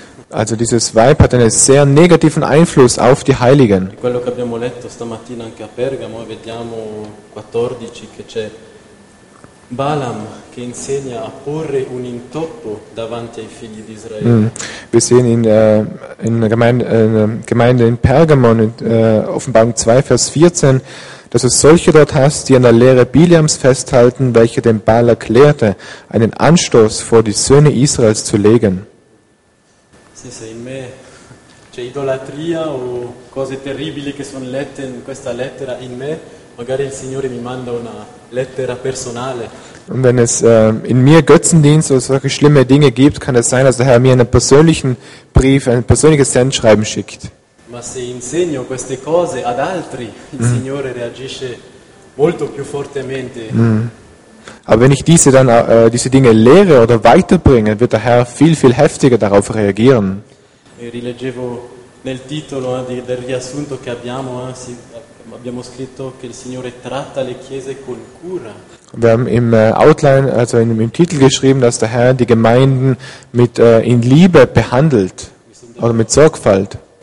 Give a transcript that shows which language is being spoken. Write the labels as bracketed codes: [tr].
[de] Also dieses Weib hat einen sehr negativen Einfluss auf die Heiligen. [it] Quello che abbiamo letto stamattina anche a Pergamo, vediamo 14 che c'è Balaam che insegna a porre un intoppo davanti ai figli di Israele. [de] Wir sehen in der Gemeinde in Pergamon in Offenbarung 2 Vers 14, dass es solche dort hast, die an der Lehre Biliams festhalten, welche dem Balak lehrte, einen Anstoß vor die Söhne Israels zu legen. [it] In me c'è idolatria o cose terribili che sono lette in questa lettera in me, magari il Signore mi manda una lettera personale. [de] Und wenn es in mir Götzendienst oder solche schlimme Dinge gibt, kann es sein, dass der Herr mir einen persönlichen Brief, ein persönliches Sendschreiben schickt. [it] Ma se insegno queste cose ad altri, il Signore reagisce molto più fortemente. [de] Aber wenn ich diese dann diese Dinge lehre oder weiterbringe, wird der Herr viel, viel heftiger darauf reagieren. [it] Rileggevo nel titolo del riassunto che abbiamo, abbiamo scritto che il Signore tratta le chiese con cura. [de] Wir haben im Outline, also im Titel geschrieben, dass der Herr die Gemeinden mit in Liebe behandelt oder mit Sorgfalt.